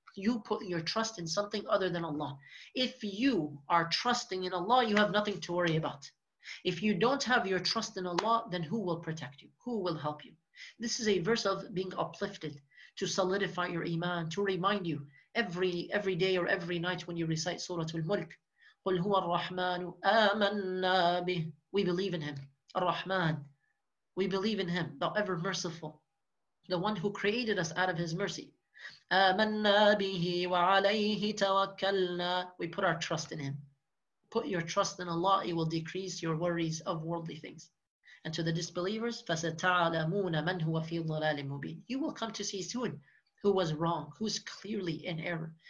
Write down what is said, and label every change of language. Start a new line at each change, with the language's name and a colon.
English: You put your trust in something other than Allah. If you are trusting in Allah, you have nothing to worry about. If you don't have your trust in Allah, then who will protect you? Who will help you? This is a verse of being uplifted, to solidify your iman, to remind you every day or every night when you recite Surah Al-Mulk.
Arabic: قُلْ هُوَ الرَّحْمَنُ آمَنَّا بِهِ
English: We believe in Him. Ar-Rahman. We believe in Him, the ever merciful, the one who created us out of His mercy.
Arabic: آمَنَّا بِهِ وَعَلَيْهِ تَوَكَّلْنَا
English: We put our trust in Him. Put your trust in Allah, it will decrease your worries of worldly things. And to the disbelievers,
Arabic: فَسَتَعْلَمُونَ مَنْ هُوَ فِي ضَلَالٍ مُبِينٍ
English: You will come to see soon who was wrong, who's clearly in error.